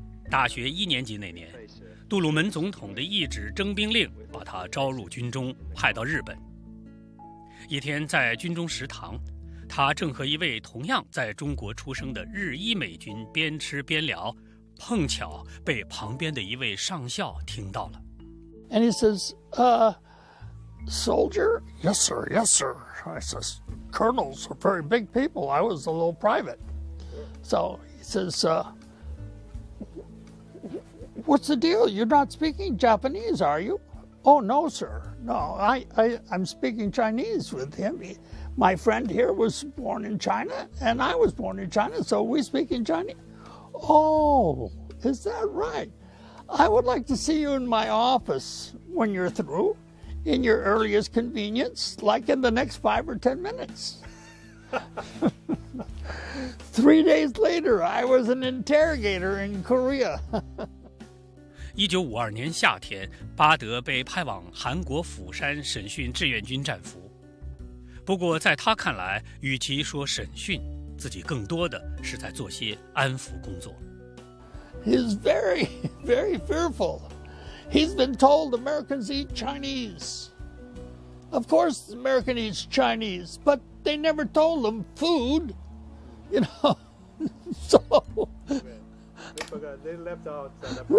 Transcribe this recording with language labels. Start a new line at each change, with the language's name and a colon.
Chinese: 大学一年级那年，杜鲁门总统的一纸征兵令把他招入军中，派到日本。一天在军中食堂，他正和一位同样在中国出生的日裔美军边吃边聊，碰巧被旁边的一位上校听到了。
English: And he says, Soldier? Yes, sir. Yes, sir. I says, colonels are very big people. I was a little private. So he says, what's the deal? You're not speaking Japanese, are you? Oh, no, sir. No, I'm speaking Chinese with him. My friend here was born in China, and I was born in China, so we speak in Chinese. Oh, is that right? I would like to see you in my office when you're through. In your earliest convenience, like in the next 5 or 10 minutes. 3 days later, I was an interrogator in Korea.
Chinese: 1952年夏天，巴德被派往韩国釜山审讯志愿军战俘。不过在他看来，与其说审讯，自己更多的是在做些安抚工作。
English: He's very, very fearful. He's been told Americans eat Chinese. Of course, Americans eat Chinese, but they never told them food. You know, so... They left out that part.